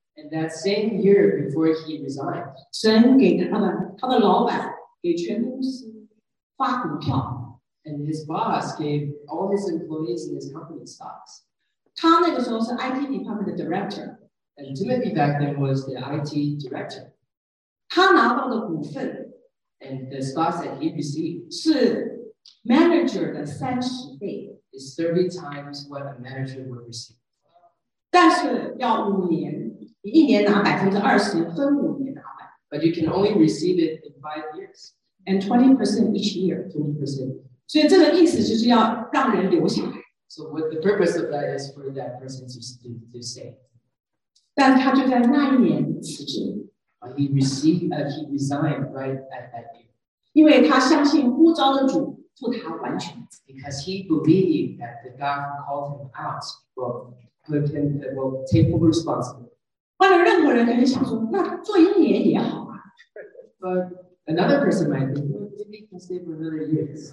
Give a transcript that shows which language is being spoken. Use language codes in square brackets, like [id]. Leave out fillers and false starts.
[en] And that same year before he resigned, [zh] 神给他的老板给全公司发股票, [en] and his boss gave all his employees in his company stocks. [zh] 他那个时候是 [en] IT department director, and Timothy back then was the IT director. [zh] 他拿到的股份, [en] and the stocks that he received, [zh] 是 manager 的30倍, [en] is 30 times what a manager would receive. [zh] 但是要5年, 一年拿20%分5年的老板, [en] but you can only receive it in 5 years, and 20% each year, 20%. [zh] 所以这个意思就是要让人留下来. [en] So what the purpose of that is for that person to stay. [zh] 但他就在那一年辞职. [en] He resigned right at that year. [zh] 因为他相信呼召的主负他完全. [en] Because he believed that the God who called him out will take full responsibility. [zh] 换了任何人可能想说，那做一年也好啊。 [en] But another person might think, maybe you can stay for another year.